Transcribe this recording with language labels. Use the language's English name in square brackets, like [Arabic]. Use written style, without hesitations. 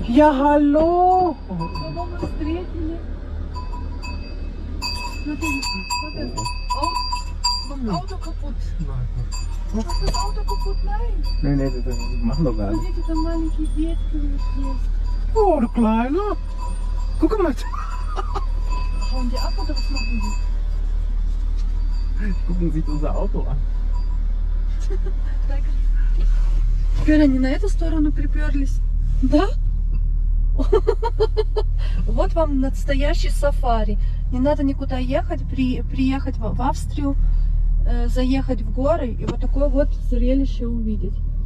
[Russian] я галло! По-моему, встретили. Смотри. Ауто капут. Ауто капут, най? Нет, это много. Смотрите, там маленькие детки у них есть. [German] О, du Kleiner! Guck mal! Schauen die ab oder was machen die? Gucken sich unser Auto an. Danke. [Russian] Теперь они на эту сторону приперлись. Да? Вот вам настоящий сафари. Не надо никуда ехать, приехать в Австрию, заехать в горы и вот такое вот зрелище увидеть.